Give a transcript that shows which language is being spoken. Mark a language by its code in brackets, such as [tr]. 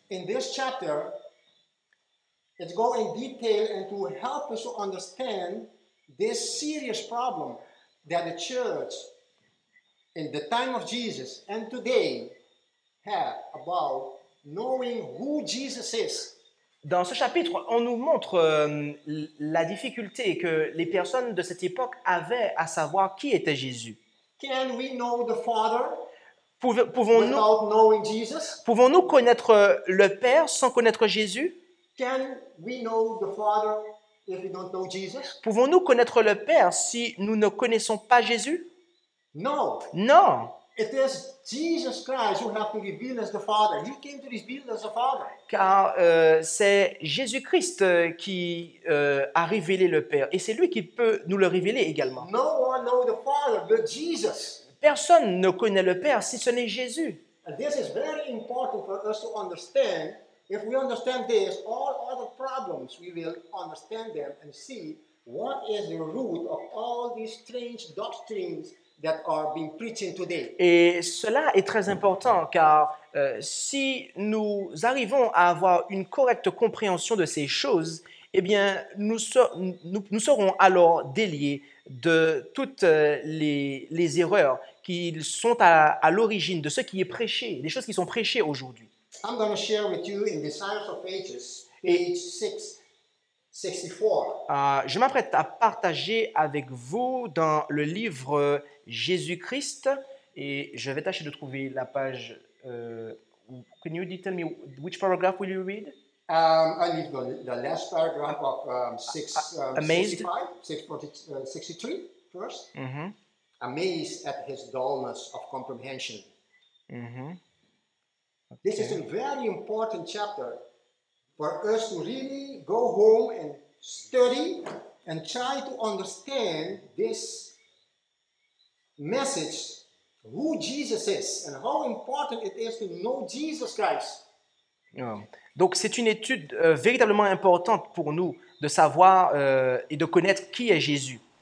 [en] in this chapter, it's going in detail and to help us to understand this serious problem that the church in the time of Jesus and today have about knowing who Jesus is. [fr] Dans ce chapitre, on nous montre la difficulté que les personnes de cette époque avaient à savoir qui était Jésus. [en] Can we know the Father? [fr] Pouvons-nous [en] without knowing Jesus? [fr] Pouvons-nous connaître le Père sans connaître Jésus? [en] Can we know the Father if we don't know Jesus? [fr] Pouvons-nous connaître le Père si nous ne connaissons pas Jésus? [en] No. [fr] Non. [en] It is Jesus Christ who has to reveal as the Father. He came to reveal as the Father. [fr] Car c'est Jésus-Christ qui a révélé le Père, et c'est lui qui peut nous le révéler également. [en] No one knows the Father but Jesus. [fr] Personne ne connaît le Père si ce n'est Jésus. [en] And this is very important for us to understand. If we understand this, all other problems we will understand them and see what is the root of all these strange doctrines that are being preached today. [fr] Et cela est très important car si nous arrivons à avoir une correcte compréhension de ces choses, eh bien nous serons alors déliés de toutes les erreurs qui sont à l'origine de ce qui est prêché, des choses qui sont prêchées aujourd'hui. [en] I'm going to share with you in the Science of Ages, page 664. [fr] Je m'apprête à partager avec vous dans le livre Jésus-Christ, et je vais tâcher de trouver la page. [en] Can you tell me which paragraph will you read? I read the last paragraph of 63 first. Mm-hmm. Amazed at his dullness of comprehension. Mm-hmm. Okay. This is a very important chapter for us to really go home and study and try to understand this message, who Jesus is and how important it is to know Jesus Christ. Oh. [fr] Donc c'est une étude véritablement importante pour nous de savoir et de connaître qui est Jésus.